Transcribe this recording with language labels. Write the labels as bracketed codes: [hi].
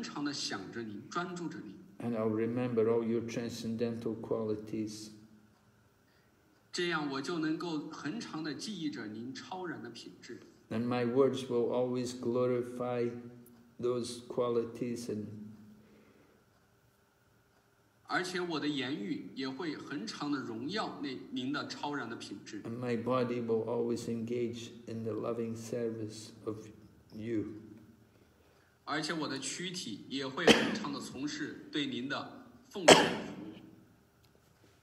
[zh] 只有当我还能够再次成为他们的仆人吗？这样的话，我的心意就能够恒常的想着你，专注着你。And [en] I'll remember all your transcendental qualities. [zh] 这样我就能够恒常的记忆着您超然的品质。And [en] my words will always glorify those qualities and [zh] 而且我的言语也会恒常的荣耀您的超然的品质。 [en] And my body will always engage in the loving service of you. [zh] 而且我的躯体也会恒常的从事对您的奉献服务。